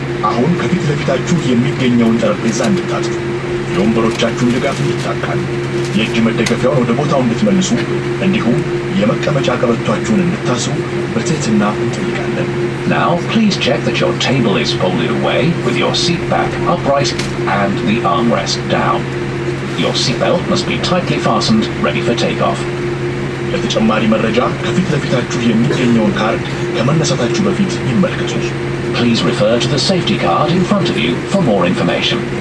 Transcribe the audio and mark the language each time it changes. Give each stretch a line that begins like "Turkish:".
Amharic: አሁን ከፊት ለፊታችሁ የሚገኘውን ጠረጴዛ እንድታጥፉ የወንበሮቻችሁን ድጋፍ እንድታካል የእጅ መደገፊያውን ወደ ቦታው እንድትመልሱ እንዲሁም የመቀመጫ ቀበቷችሁን እንድታስቡ በትህትና እንጠይቃለን።
English: Now, please check that your table is folded away with your seat back upright and the armrest down. Your seatbelt must be tightly fastened, ready for takeoff.
Amharic: ለተጨማሪ መረጃ ከፊት ለፊታችሁ የሚገኘውን ካርድ ከመነሳታችሁ በፊት ይመልከቱ።
English: Please refer to the safety card in front of you for more information.